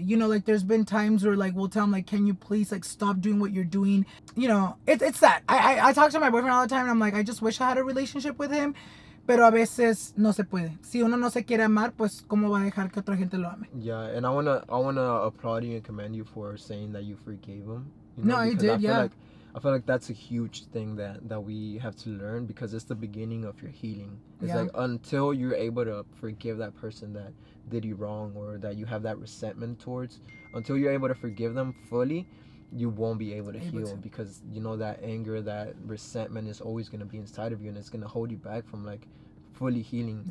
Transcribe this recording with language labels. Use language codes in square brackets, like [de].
[en] You know, like, there's been times where, like, we'll tell him, like, can you please, like, stop doing what you're doing? You know, it's sad. I talk to my boyfriend all the time, and I'm like, I just wish I had a relationship with him. [es] Pero a veces no se puede. Si uno no se quiere amar, pues cómo va a dejar que otra gente lo ame. [en] Yeah, and I wanna applaud you and commend you for saying that you forgave him. You know, no, you did, I feel yeah. Like, I feel like that's a huge thing that we have to learn, because it's the beginning of your healing. It's yeah. like until you're able to forgive that person that did you wrong or that you have that resentment towards, until you're able to forgive them fully, you won't be able to heal because, you know, that anger, that resentment is always going to be inside of you, and it's going to hold you back from, like, fully healing.